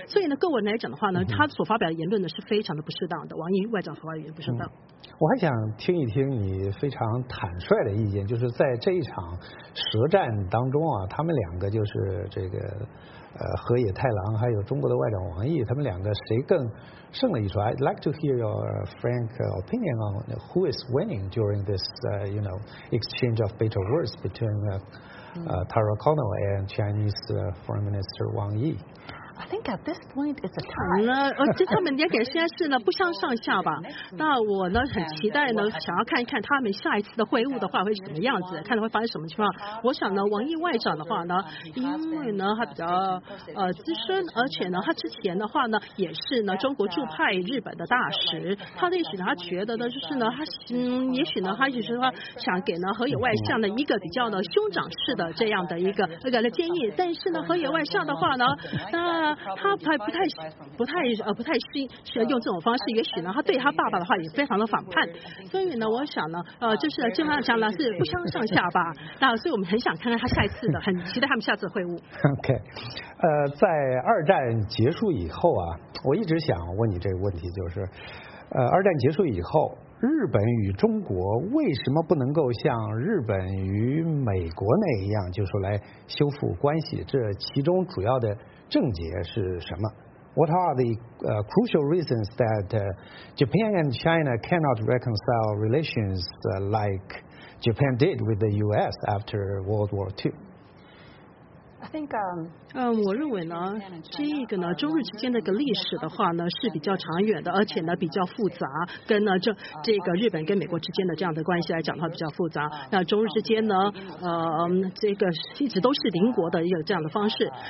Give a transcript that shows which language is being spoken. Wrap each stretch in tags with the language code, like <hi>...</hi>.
<zh>所以呢各位来讲的话呢，他所发表的言论呢是非常的不适当的，王毅外长所发表言论不适当。我还想听一听你非常坦率的意见，就是在这一场舌战当中啊，他们两个就是这个河野太郎还有中国的外长王毅，他们两个谁更胜了一筹？</zh> <en>I'd like to hear your frank opinion on who is winning during this exchange of bitter words between Taro Kono and Chinese Foreign Minister Wang Yi. I think at this point it's a tie.</en> <zh>他们两个现在是呢不相上下吧？那我呢很期待呢，想要看一看他们下一次的会晤的话会是什么样子，看他会发生什么情况。我想呢，王毅外长的话呢，因为呢他比较资深，而且呢他之前的话呢也是呢中国驻派日本的大使，他也许他觉得呢就是呢他也许呢他就是说想给呢河野外相的一个比较呢兄长式的这样的一个建议，但是呢河野外相的话呢，他不太用这种方式，也许呢他对他爸爸的话也非常的反叛。所以呢我想呢就是基本上呢是不相上下吧。那所以我们很想看看他下一次的，很期待他们下次会晤。 OK， 在二战结束以后啊，我一直想问你这个问题，就是二战结束以后，日本与中国为什么不能够像日本与美国那一样，就是说来修复关系？这其中主要的症结是什么？</zh> <en>What are the crucial reasons that Japan and China cannot reconcile relations like Japan did with the U.S. after World War II?</en> <zh>我认为呢，这个呢，中日之间的一个历史的话呢，是比较长远的，而且呢比较复杂，跟呢这个日本跟美国之间的这样的关系来讲的话比较复杂。那中日之间呢，这个一直都是邻国的一个这样的方式。</zh>